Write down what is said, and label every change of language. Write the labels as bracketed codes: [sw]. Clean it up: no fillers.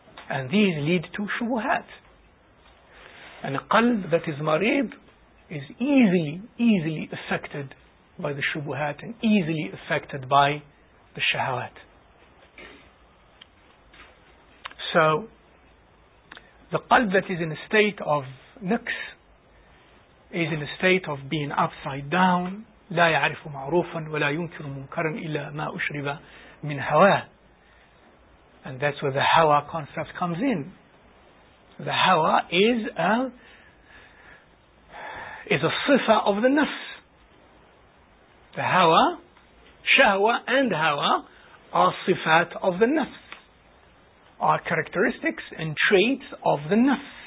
[en] And these lead to shubuhat. And a qalb that is marid is easily affected by the shubuhat and easily affected by the shahawat. So, the qalb that is in a state of naqs is in a state of being upside down. [ar] لا يعرف معروفا ولا ينكر منكرا إلا ما أشرب من هوا. [en] And that's where the hawa concept comes in. The hawa is a sifa of the nafs. The hawa, shahwa and hawa are sifat of the nafs, are characteristics and traits of the nafs.